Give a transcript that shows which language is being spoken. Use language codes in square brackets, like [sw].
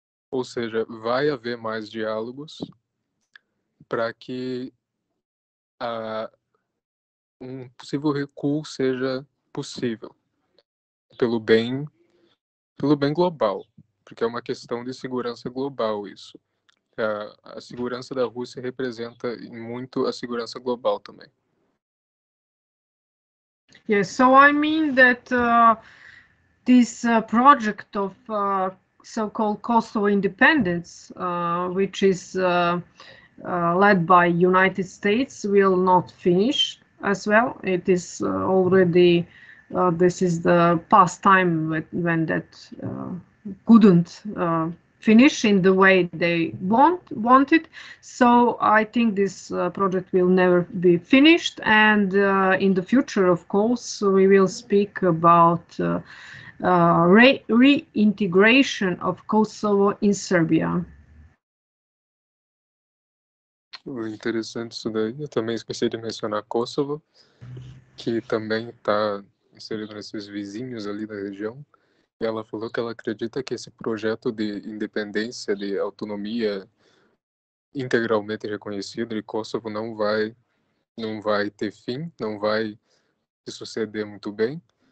[pt] Ou seja, vai haver mais diálogos para que um possível recuo seja possível, pelo bem global, porque é uma questão de segurança global isso. A segurança da Rússia representa muito a segurança global também. [en] Yes, so I mean that this project of so-called Kosovo independence, which is led by United States, will not finish as well. It is already this is the past time when that couldn't finish in the way they wanted. So I think this project will never be finished. And in the future, of course, we will speak about reintegration of Kosovo in Serbia. [pt] Interessante isso daí. Eu também esqueci de mencionar Kosovo, que também está inserido nesses vizinhos ali da região. E ela falou que ela acredita que esse projeto de independência, de autonomia integralmente reconhecido de Kosovo não vai ter fim, não vai se suceder muito bem.